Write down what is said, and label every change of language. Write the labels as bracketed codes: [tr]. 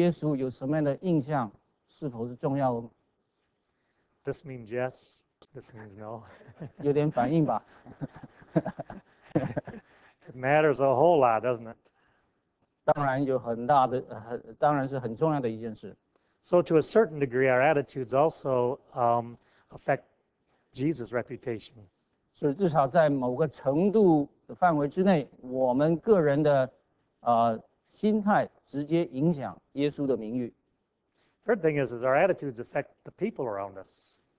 [zh] 世人对耶稣有什么样的印象，是否是重要的？ [en] This means yes, this means no. [zh] 有点反应吧。 [en] It matters a whole lot, doesn't it? [zh] 当然是很重要的一件事。 [en] So to a certain degree, our attitudes also affect Jesus' reputation. [zh] 所以至少在某个程度的范围之内，我们个人的心态直接影响耶稣的名誉。 [en] Third thing is our attitudes affect the people around us.